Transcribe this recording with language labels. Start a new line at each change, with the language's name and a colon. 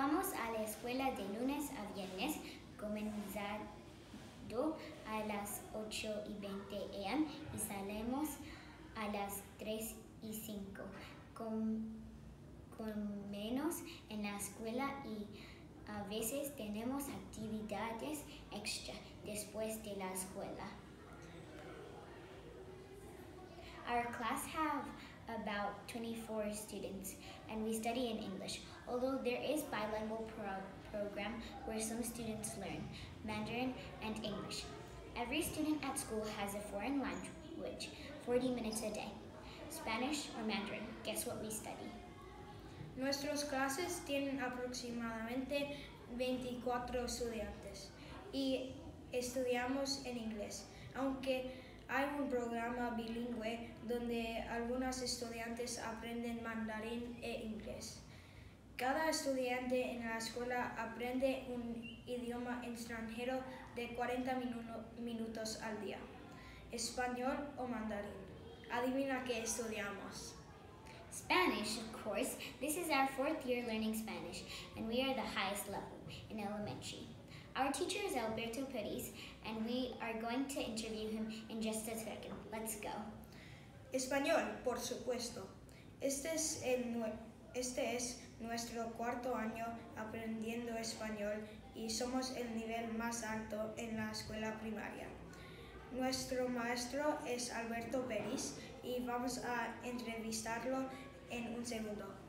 Spanish: Vamos a la escuela de lunes a viernes, comenzando a las 8:20 a.m. y salimos a las 3:05. Comemos en la escuela y a veces tenemos actividades extra después de la escuela.
English: Our class have about 24 students and we study in English. Although there is bilingual program where some students learn Mandarin and English. Every student at school has a foreign language 40 minutes a day. Spanish or Mandarin, guess what we study?
Spanish: Nuestras clases tienen aproximadamente 24 estudiantes y estudiamos en inglés, aunque hay un programa bilingüe donde algunos estudiantes aprenden mandarín e inglés. Cada estudiante en la escuela aprende un idioma extranjero de 40 minutos al día, español o mandarín. Adivina qué estudiamos.
English: Spanish, of course. This is our fourth year learning Spanish, and we are the highest level in elementary. Our teacher is Alberto Perez, and we are going to interview him in just a second. Let's go.
Spanish: Español, por supuesto. Este es nuestro cuarto año aprendiendo español y somos el nivel más alto en la escuela primaria. Nuestro maestro es Alberto Perez y vamos a entrevistarlo en un segundo.